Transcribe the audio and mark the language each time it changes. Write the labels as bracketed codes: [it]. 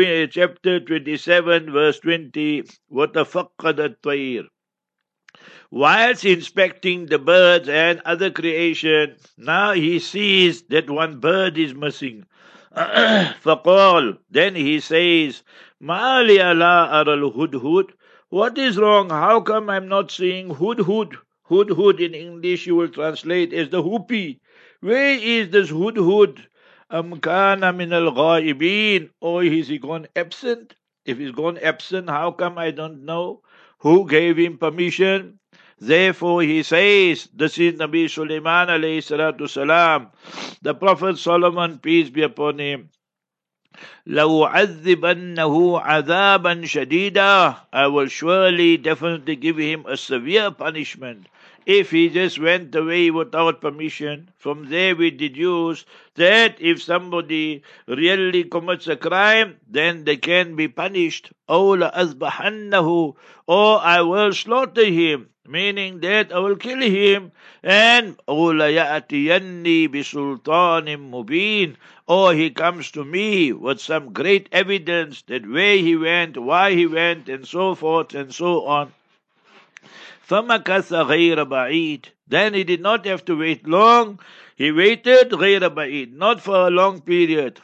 [en] Chapter 27, verse 20, [ar] وَتَفَقَّدَتْ طَيْرِ. [en] Whilst inspecting the birds and other creation, now he sees that one bird is missing. [ar] فَقَالْ. [en] Then he says, [ar] مَا لِيَ لَا أَرَى الْهُدْهُدْ. [en] What is wrong? How come I'm not seeing hudhud? Hudhud in English you will translate as the whoopee. Where is this hudhud? [ar] أَمْ كَانَ مِنَ الْغَائِبِينَ. [en] Oh, is he gone absent? If he's gone absent, how come I don't know? Who gave him permission? Therefore, he says, this is Nabi Sulaiman alayhi salatu salam, the Prophet Solomon, peace be upon him. [ar] لَوْعَذِّبَنَّهُ عَذَابًا شَدِيدًا. [en] I will surely definitely give him a severe punishment. If he just went away without permission, from there we deduce that if somebody really commits a crime, then they can be punished. [ar] أَوْ لَأَذْبَحَنَّهُ. [en] Or I will slaughter him, meaning that I will kill him. [ar] And أَوْ لَيَأْتِيَنِّي بِسُلْطَانٍ مُبِينٍ. [en] Or he comes to me with some great evidence that where he went, why he went, and so forth and so on. فَمَكَثَ غَيْرَ بَعِيدٍ. Then he did not have to wait long. He waited [ar] غَيْرَ بَعِيدٍ, [en] not for a long period.